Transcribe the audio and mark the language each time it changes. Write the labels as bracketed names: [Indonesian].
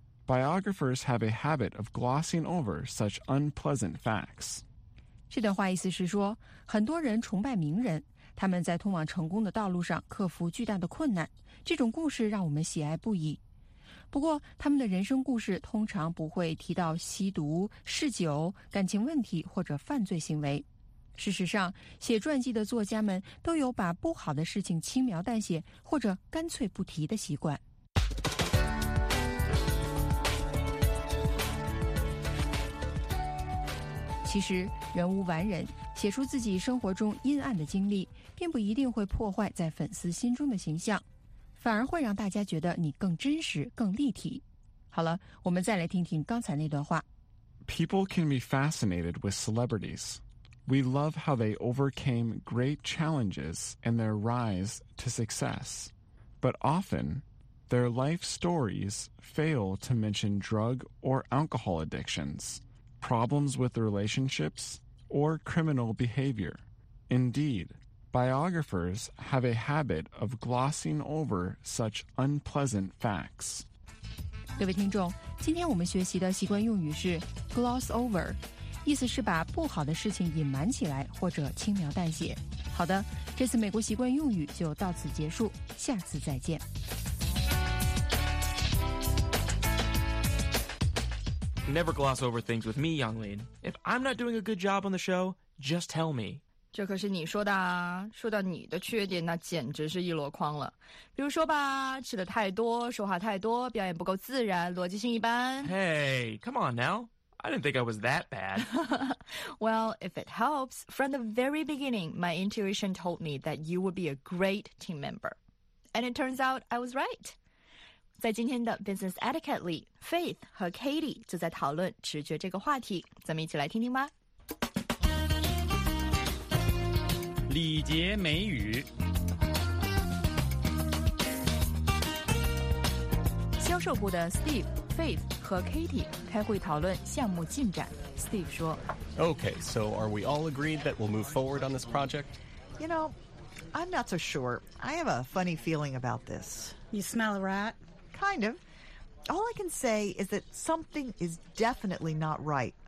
[English] Biographers have a habit of glossing over such unpleasant facts. [Chinese] 这段话意思是说，很多人崇拜名人，他们在通往成功的道路上克服巨大的困难，这种故事让我们喜爱不已。不过，他们的人生故事通常不会提到吸毒、嗜酒、感情问题或者犯罪行为。事实上，写传记的作家们都有把不好的事情轻描淡写或者干脆不提的习惯。其实，人无完人，写出自己生活中阴暗的经历，并不一定会破坏在粉丝心中的形象，反而会让大家觉得你更真实、更立体。好了，我们再来听听刚才那段话。 [English] People can be fascinated with celebrities. We love how they overcame great challenges and their rise to success. But often, their life stories fail to mention drug or alcohol addictions. Problems with relationships, or criminal behavior. Indeed, biographers have a habit of glossing over such unpleasant facts. [Chinese] 各位听众，今天我们学习的习惯用语是 gloss over, 意思是把不好的事情隐瞒起来或者轻描淡写。好的，这次美国习惯用语就到此结束，下次再见。 [English] Never gloss over things with me, Yonglin. If I'm not doing a good job on the show, just tell me. [Chinese] 这可是你说的啊。说到你的缺点，那简直是一箩筐了。比如说吧，吃的太多，说话太多，表演不够自然，逻辑性一般。 [English] Hey, come on now. I didn't think I was that bad. Well, if it helps, from the very beginning, my intuition told me that you would be a great team member. And it turns out I was right. [Chinese] 在今天的 Business Etiquette 里 ,Faith 和 Katie 就在讨论直觉这个话题，咱们一起来听听吧。礼节美语。销售部的 Steve, Faith 和 Katie 开会讨论项目进展。 Steve 说 [English] ,Okay, so are we all agreed that we'll move forward on this project? You know, I'm not so sure. I have a funny feeling about this. You smell a rat? Kind of. All I can say is that something is definitely not right.